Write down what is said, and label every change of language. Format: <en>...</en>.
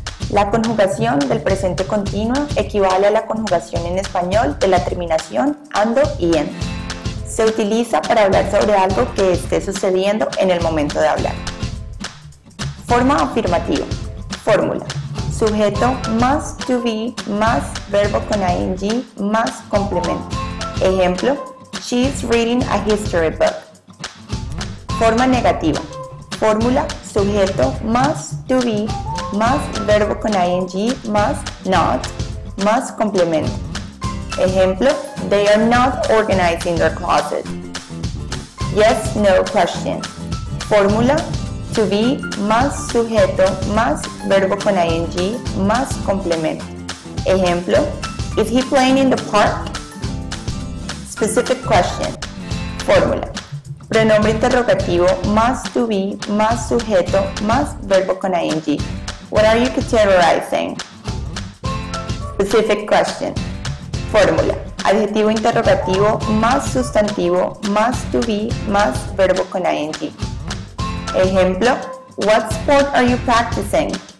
<es>La conjugación del presente continuo equivale a la conjugación en español de la terminación ando y en. Se utiliza para hablar sobre algo que esté sucediendo en el momento de hablar. Forma afirmativa. Fórmula. Sujeto más to be más verbo con ing más complemento. Ejemplo.</es> <en>She's reading a history book.</en> <es>Forma negativa. Fórmula. Sujeto más to be más verbo con ing más not más complemento. Ejemplo.</es> <en>They are not organizing their closet. Yes, no question. Fórmula.</en> <es>To be más sujeto más verbo con ing más complemento. Ejemplo.</es> <en>Is he playing in the park? Specific question. Fórmula.</en> <es>Pronombre interrogativo más to be más sujeto más verbo con ing.</es> <en>What are you categorizing? Specific question. Fórmula.</en> <es>Adjetivo interrogativo más sustantivo más to be más verbo con ing. Ejemplo.</es> <en>What sport are you practicing?</en>